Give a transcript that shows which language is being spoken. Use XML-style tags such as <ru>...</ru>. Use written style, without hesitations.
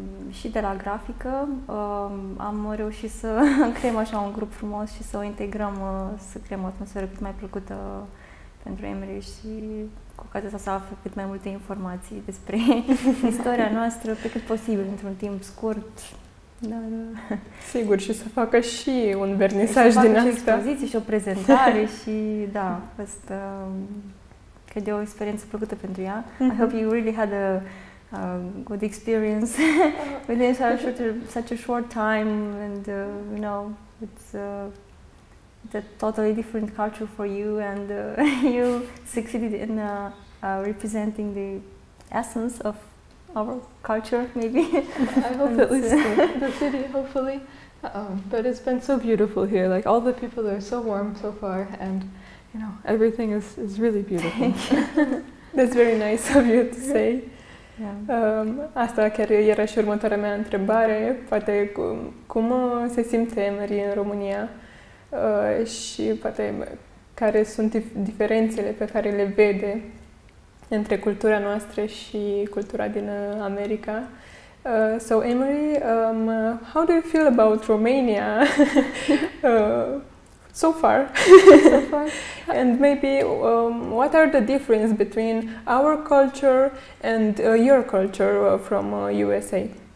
<ro>și de la grafică am reușit să creăm așa un grup frumos și să o integrăm, să creăm o atmosferă cât mai plăcută pentru Emre și cu ocazia asta să află cât mai multe informații despre istoria noastră pe cât posibil într-un timp scurt. Dar, sigur, și să facă și un vernisaj din asta. Și să facă și expoziții și o prezentare și da, asta cred de o experiență plăcută pentru ea.</ro> <en>I hope you really had a good experience within such a short time, and you know, it's a totally different culture for you, and you succeeded in representing the essence of our culture, maybe. I hope at least the city, hopefully. But it's been so beautiful here. Like, all the people are so warm so far, and you know, everything is really beautiful. That's very nice of you to say. Yeah.</en> <ro>Asta chiar era și următoarea mea întrebare, poate cum se simte Emery în România și poate care sunt diferențele pe care le vede între cultura noastră și cultura din America.</ro> <en>So Emery, how do you feel about Romania so far? And maybe what are the difference between our culture and your culture from USA?</en>